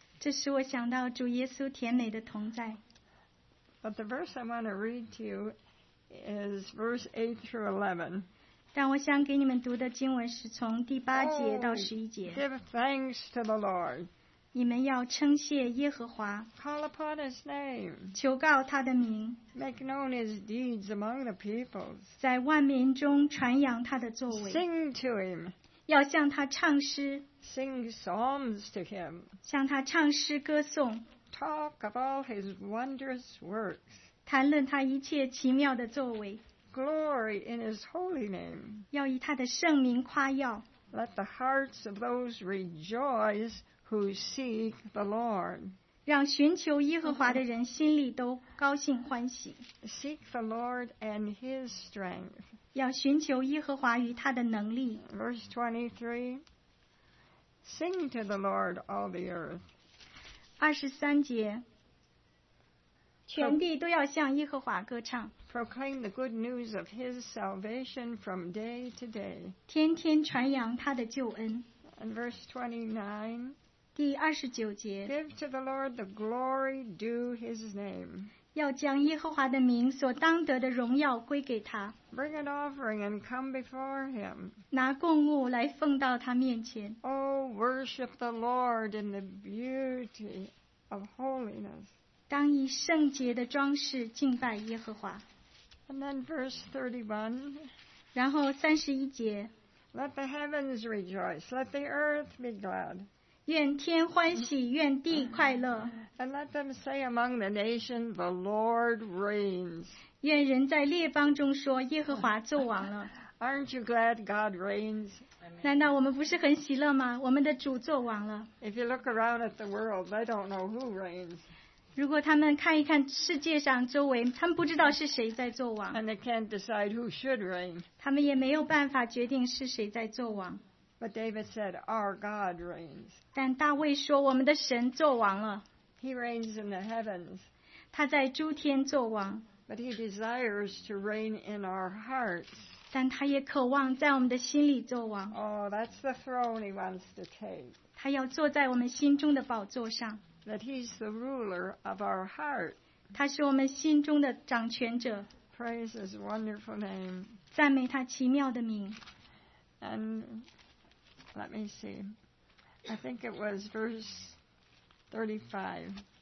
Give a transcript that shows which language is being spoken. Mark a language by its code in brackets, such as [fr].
[zh] 这使我想到主耶稣甜美的同在。 [en] But the verse I want to read to you is verse 8 through 11. [zh] 但我想给你们读的经文是从第八节到十一节。 [en] Oh, give thanks to the Lord. [zh] 你们要称谢耶和华。 [en] Call upon his name. [zh] 求告他的名。 [en] Make known his deeds among the peoples. [zh] 在万民中传扬他的作为。 [en] Sing to him. [zh] 要向他唱诗。 [en] Sing psalms to him. [zh] 向他唱诗歌颂。 [en] Talk of all his wondrous works. [zh] 谈论他一切奇妙的作为。 [en] Glory in his holy name. [zh] 要以他的圣名夸耀。 [en] Let the hearts of those rejoice who seek the Lord. [zh] 让寻求耶和华的人心里都高兴欢喜。 [en] Seek the Lord and his strength. [zh] 要寻求耶和华与他的能力。 [en] Verse 23. Sing to the Lord all the earth. [zh] 二十三节，全地都要向耶和华歌唱。 [en] Proclaim the good news of His salvation from day to day. [zh] 天天传扬他的救恩。 [en] And verse 29. [zh] 第二十九节。 [en] Give to the Lord the glory due His name. [zh] 要将耶和华的名所当得的荣耀归给他。 [en] Bring an offering and come before Him. [zh] 拿供物来奉到他面前。 [en] Worship the Lord in the beauty of holiness. [zh] 当以圣洁的装饰敬拜耶和华。 [en] And then verse 31. [zh] 然后三十一节。 [en] Let the heavens rejoice, let the earth be glad. [zh] 愿天欢喜，愿地快乐。 [en] And let them say among the nation, the Lord reigns. [zh] 愿人在列邦中说，耶和华作王了。 [en] Aren't you glad God reigns? [zh] 难道我们不是很喜乐吗？我们的主作王了。 [en] If you look around at the world, they don't know who reigns. [zh] 如果他们看一看世界上周围，他们不知道是谁在作王。 [en] And they can't decide who should reign. [zh] 他们也没有办法决定是谁在作王。 [en] But David said, "Our God reigns." [zh] 但大卫说，我们的神作王了。 [en] He reigns in the heavens. [zh] 他在诸天作王。 [en] But he desires to reign in our hearts. [zh] 但他也渴望在我们的心里作王。 [en] Oh, that's the throne he wants to take. [zh] 他要坐在我们心中的宝座上。 [en] That he's the ruler of our heart. [zh] 他是我们心中的掌权者。 [en] Praise his wonderful name. [zh] 赞美他奇妙的名。 [en] And let me see. I think it was verse 35.